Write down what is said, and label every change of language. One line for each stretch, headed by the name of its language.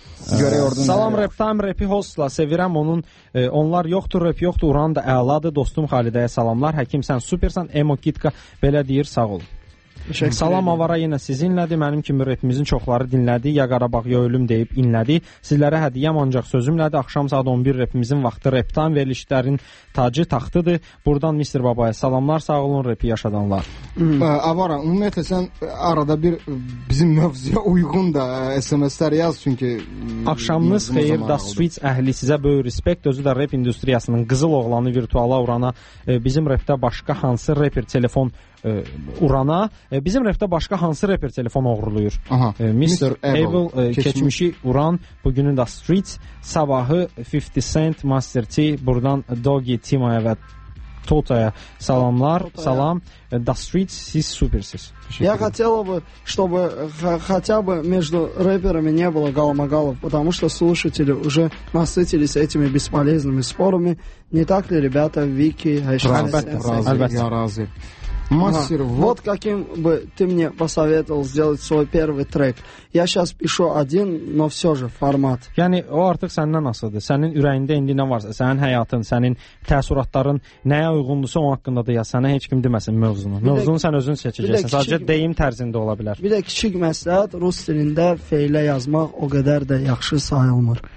Azerbaijani: Salam rap time, rapi hostla sevirəm onun, onlar yoxdur, rap yoxdur, Uran da əladır, dostum Xalidəyə salamlar, həkim sən supersan, emo kitka belə deyir, sağ ol. Salam avara yenə sizinlədi, mənim kimi rapimizin çoxları dinlədi, ya Qarabağ ya ölüm deyib inlədi, sizlərə hədiyəm ancaq sözümlədi, axşam saat 11 rapimizin vaxtı, rap time verilişlərin tacı taxtıdır, buradan Mr. Babaya salamlar, sağ olun rapi yaşadanlar. Avara, ümumiyyətlə sən arada bir bizim mövzuya uyğun da SMS-lər yaz, çünki axşamınız xeyir, da Switch əhli sizə böyük respekt, özü də rap industriyasının qızıl oğlanı virtuala Urana, bizim rapdə başqa hansı rapper telefon Urana, bizim rapdə başqa hansı rapper telefon oğurluyur? Mr. Evil, keçmişi Uran, bugünün də Street, sabahı 50 Cent, Master T, burdan Doggy, Timaya və Тотая, саламлар, Тотая. Салам, The Streets, сіз суперсіз.
Russian: Я хотела бы, чтобы хотя бы между рэперами не было галамагалов, потому что слушатели уже насытились этими бесполезными спорами. Не так ли, ребята, Вики, Айшан, Мастер, вот каким бы ты мне посоветовал сделать свой первый трек. Я сейчас пишу один, но все же формат.
Azerbaijani: Yəni o artıq səndən asılıdır. Sənin ürəyində indi nə varsa, sənin həyatın, sənin təəssüratların nəyə uyğundursa onun haqqında da yaz. Sənə heç kim deməsin mövzunu. Mövzunu sən özün seçəcəksən. Sadəcə deyim tərzində ola bilər. Bir də kiçik məsləhət, rus dilində feylə yazmaq o qədər də yaxşı sayılmır.